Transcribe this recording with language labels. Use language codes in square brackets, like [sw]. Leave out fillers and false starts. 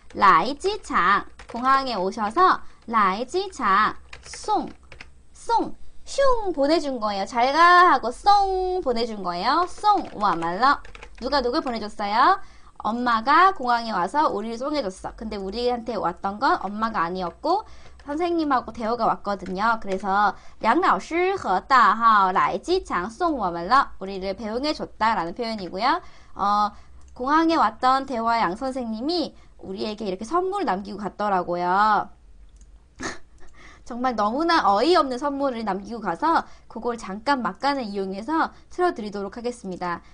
[ko] 라이지창 공항에 오셔서 라이지창 송송 슝 보내준 거예요. 잘가 하고 송 보내준 거예요. 송 와말러 누가 누굴 보내줬어요? 엄마가 공항에 와서 우리를 송해줬어. 근데 우리한테 왔던 건 엄마가 아니었고 선생님하고 대호가 왔거든요. [zh] 그래서 양老师和大号来机场送我们了. [ko] 우리를 배웅해줬다라는 표현이고요. 공항에 왔던 대호와 양 선생님이 우리에게 이렇게 선물을 남기고 갔더라고요. 정말 너무나 어이없는 선물을 남기고 가서 그걸 잠깐 막간을 이용해서 틀어드리도록 하겠습니다.